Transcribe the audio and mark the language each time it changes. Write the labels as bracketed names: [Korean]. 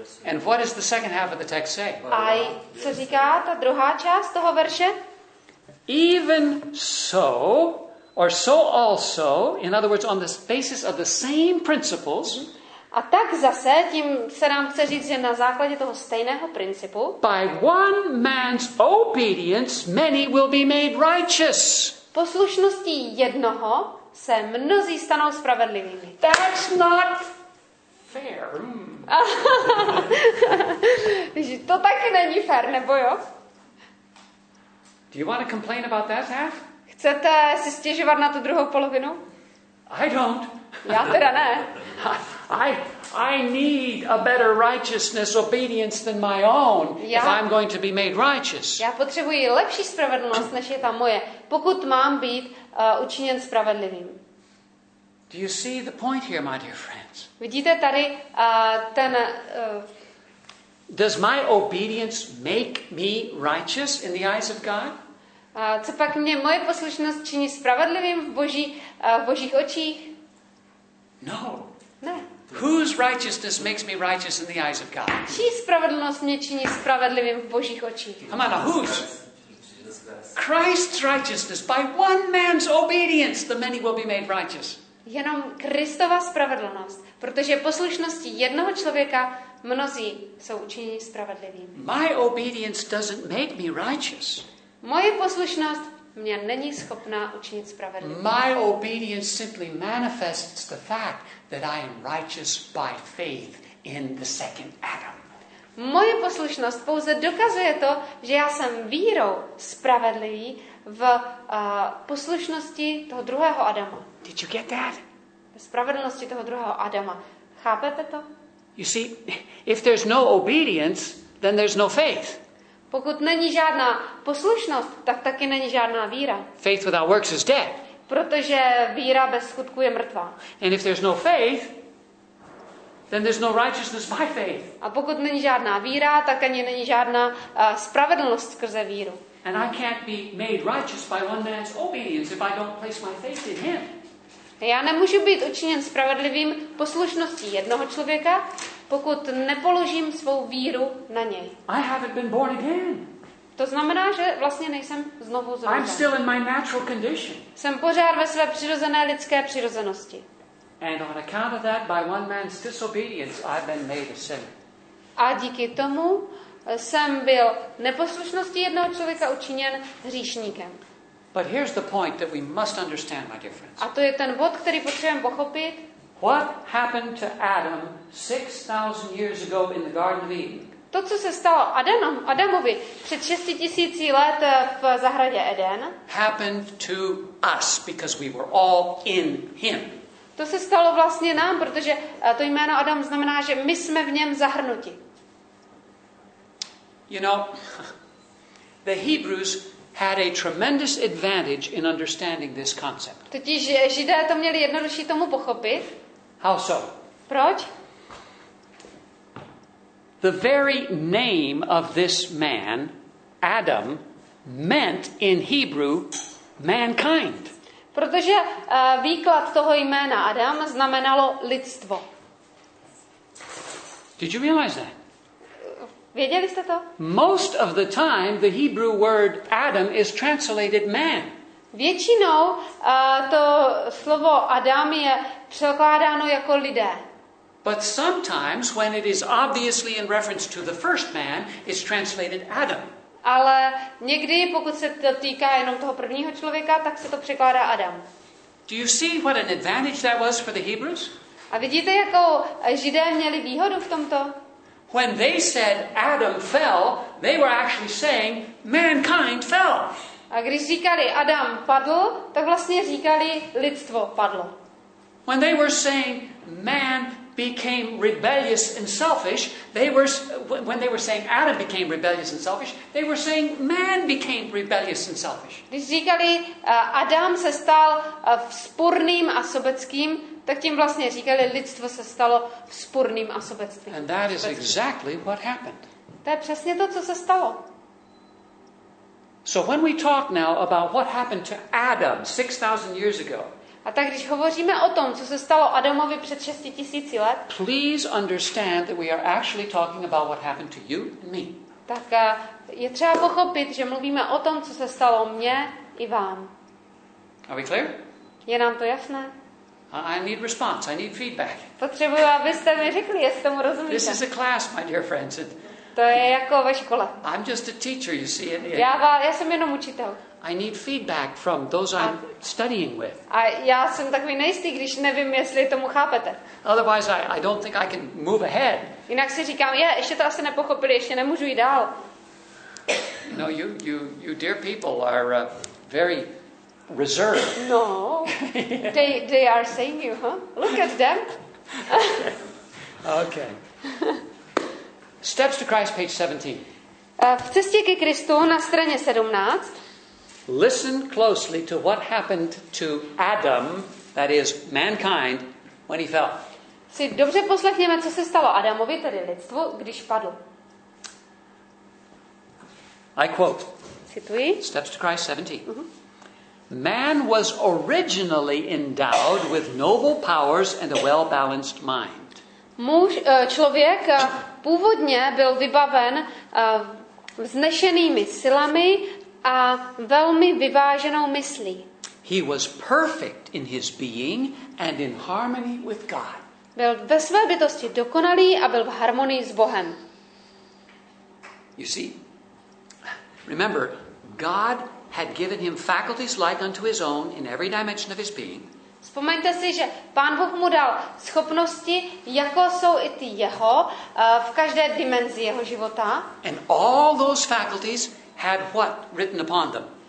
[English] And what does the second half of the text say? [Czech] A co říká ta druhá část toho verše? [English] Even so, or so also, in other words, on the basis of the same principles. [Czech] A tak zase, tím se nám chce říct, že na základě toho stejného principu. [English] By one man's obedience, many will be made righteous. [Czech] Poslušností jednoho se mnozí stanou spravedlivými. [English] That's not fair. [Czech] Že to taky není fair, nebo jo? [English] Do you want to complain about that half? [Czech] Chcete si stěžovat na tu druhou polovinu? [English] I don't. [Czech] Já teda ne. [English] I need a better righteousness obedience than my own if I'm going to be made righteous. [Czech] Já potřebuji lepší spravedlnost než je ta moje, pokud mám být učiněn spravedlivým. [English] Do you see the point here, my dear friends? [Czech] Vidíte tady ten [English] Does my obedience make me righteous in the eyes of God? [Czech] Co pak mě moje poslušnost činí spravedlivým v božích očích? [English] No. [Czech] Ne. [English] Whose righteousness makes me righteous in the eyes of God? [Czech] Čí spravedlnost mě činí spravedlivým v božích očích? [English] Come on, whose? Christ's righteousness by one man's obedience the many will be made righteous. [Czech] Jenom Kristova spravedlnost, protože poslušností jednoho člověka mnozí jsou učiněni spravedlivými. [English] My obedience doesn't make me righteous. [Czech] Moje poslušnost mě není schopná učinit spravedlivým. [English] My obedience simply manifests the fact that I am righteous by faith in the second Adam. [Czech] Moje poslušnost pouze dokazuje to, že já jsem vírou spravedlivý v poslušnosti toho druhého Adama. [English] Did you get that? [Czech] V spravedlnosti toho druhého Adama. Chápete to? [English] You see, if there's no obedience, then there's no faith. [Czech] Pokud není žádná poslušnost, tak taky není žádná víra. [English] Faith without works is dead. [Czech] Protože víra bez skutku je mrtvá. [English] And if there's no faith, then there's no righteousness by faith. [Czech] A pokud není žádná víra, tak ani není žádná spravedlnost skrze víru. [English] And I can't be made righteous by one man's obedience if I don't place my faith in him. [Czech] Já nemůžu být učiněn spravedlivým poslušností jednoho člověka, pokud nepoložím svou víru na něj. [English] I haven't been born again. [Czech] To znamená, že vlastně nejsem znovu zrozen. [English] I'm still in my natural condition. [Czech] Jsem pořád ve své přirozené lidské přirozenosti. [English] And on account of that, by one man's disobedience, I've been made a sinner. [Czech] A díky tomu jsem byl neposlušností jednoho člověka učiněn hříšníkem. [English] But here's the point that we must understand, my dear friends. [Czech] A to je ten bod, který potřebujeme pochopit. [English] What happened to Adam 6,000 years ago in the Garden of Eden? [Czech] To, co se stalo Adamovi před 6000 let v zahradě Eden, [English] happened to us because we were all in him. [Czech] To se stalo vlastně nám, protože to jméno Adam znamená, že my jsme v něm zahrnuti. [English] You know, the Hebrews had a tremendous advantage in understanding this concept. [Czech] Totiž Židé to měli jednodušší tomu pochopit. [English] How so? [Czech] Proč? [English] The very name of this man, Adam, meant in Hebrew mankind. [Czech] Protože výklad toho jména Adam znamenalo lidstvo. [English] Did you realize that? [Czech] Věděli jste to? [English] Most of the time the Hebrew word Adam is translated man. [Czech] Většinou to slovo Adam je překládáno jako lidé. [English] But sometimes when it is obviously in reference to the first man, it's translated Adam. [Czech] Ale někdy, pokud se to týká jenom toho prvního člověka, tak se to překládá Adam. [English] Do you see what an advantage that was for the Hebrews? [Czech] A vidíte, jako Židé měli výhodu v tomto? [English] When they said Adam fell, they were actually saying mankind fell. [Czech] A když říkali Adam padl, tak vlastně říkali lidstvo padlo. [English] When they were saying man became rebellious and selfish, they were, when they were saying Adam became rebellious and selfish, they were saying man became rebellious and selfish. [Czech] Když říkali Adam se stal vzpurným a sobeckým, tak tím vlastně říkali lidstvo se stalo vzpurným a sobeckým. [English] And that is exactly what happened. [Czech] To je přesně to, co se stalo. [English] So when we talk now about what happened to Adam 6000 years ago, [Czech] a tak když hovoříme o tom, co se stalo Adamovi před 6000 let, [English] please understand that we are actually talking about what happened to you and me. [Czech] Tak je třeba pochopit, že mluvíme o tom, co se stalo mně i vám. [English] Are we clear? [Czech] Je nám to jasné? [English] I need response. I need feedback. [Czech] Potřebuji, abyste mi řekli, jestli tomu rozumíte. [English] This is a class, my dear friends. And [Czech] to je jako ve škole. [English] I'm just a teacher, you see. [Czech] Já jsem jenom učitel. [English] I need feedback from those I'm studying with. [Czech] A já jsem takový nejistý, když nevím, jestli tomu chápete. [English] Otherwise I don't think I can move ahead. [Czech] Jinak si říkám, ještě to asi nepochopili, ještě nemůžu jít dál. [English] You know, you dear people are very reserved. No. they are saying you, huh? Look at them. Okay. Steps to Christ, page 17. [Czech] V cestě ke Kristu na straně 17. [English] Listen closely to what happened to Adam, that is mankind, when he fell. [Czech] Si dobře poslechněme, co se stalo Adamovi, tedy lidstvu, když padl. [English] I quote. [Czech] Cituji. [English] Steps to Christ 17. Mm-hmm. Man was originally endowed with noble powers and a well-balanced mind. [Czech] Muž, člověk původně byl vybaven vznešenými silami a velmi vyváženou myslí. [English] He was perfect in his being and in harmony with God. [Czech] Byl ve své bytosti dokonalý a byl v harmonii s Bohem. [English] You see, remember, God had given him faculties like unto his own in every dimension of his being. [Czech] Vzpomeňte si, že Pán Bůh mu dal schopnosti, jako jsou i ty jeho, v každé dimenzi jeho života. [English] And all those faculties had what written upon them?